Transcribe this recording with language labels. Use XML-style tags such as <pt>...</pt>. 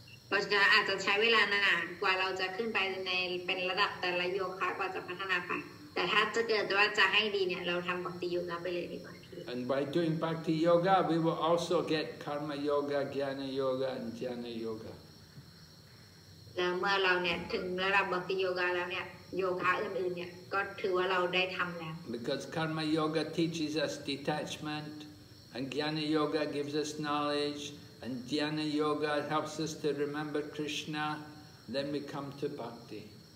<th>เราจะอาจจะใช้เวลานานกว่าเราจะขึ้นไปในเป็นระดับแต่ละโยคะกว่าจะพัฒนาไปแต่ถ้าจะเกิดว่าจะให้ดีเนี่ยเราทำบัคติโยคะไปเลยดีกว่า</th> <en>And by doing bhakti yoga we will also get karma yoga jnana yoga and jnana yoga</en> <th>แล้วเมื่อเราเนี่ยถึงระดับบัคติโยคะแล้วเนี่ยโยคะอื่นๆเนี่ยก็ถือว่าเราได้ทำแล้ว</th> <en>Because karma yoga teaches us detachment and jnana yoga gives us knowledge And Dhyana Yoga helps us to remember Krishna. Then we come to Bhakti.</en>